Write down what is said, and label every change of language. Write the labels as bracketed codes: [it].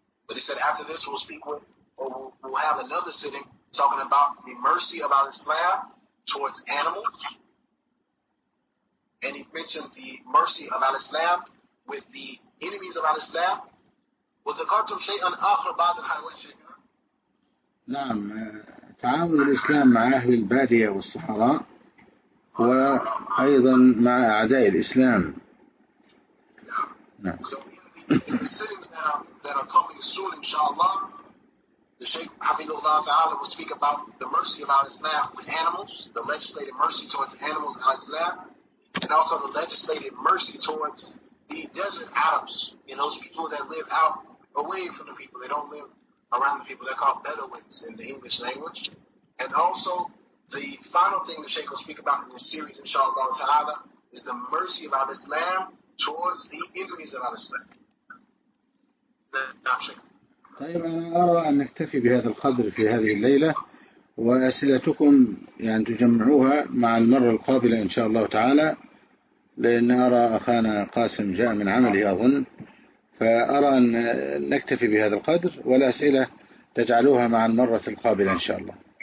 [en] But he said after this we'll speak with, or we'll have another sitting talking about the mercy of Al-Islam towards animals. And he mentioned the mercy of Al-Islam with the enemies of Al-Islam. [ar] وَذَكَرْتُمْ شَيْءٌ آخر بَعْدَ الْحَيْوَانِ شَيْءٍ. نعم. تعامل الإسلام مع أهل البادية والصحراء وأيضا مع أعداء الإسلام. نعم. [en] So in the sittings that are coming soon, inshallah, the Shaykh Hafidullah Ta'ala will speak about the mercy of Al-Islam with animals, the legislated mercy towards animals in Al-Islam, and also the legislated mercy towards the desert Arabs, you know, those people that live out away from the people. They don't live around the people. They're called Bedouins in the English language. And also, the final thing the Shaykh will speak about in this series, inshallah ta'ala, is the mercy of Al-Islam towards the enemies of Al-Islam. [ar] طيب أنا أرى أن نكتفي بهذا القدر في هذه الليلة. وأسئلتكم يعني تجمعوها مع المرة القابلة إن شاء الله تعالى، لأن أرى أخانا قاسم جاء من عمله أظن، فأرى أن نكتفي بهذا القدر، والأسئلة تجعلوها مع المرة القابلة إن شاء الله.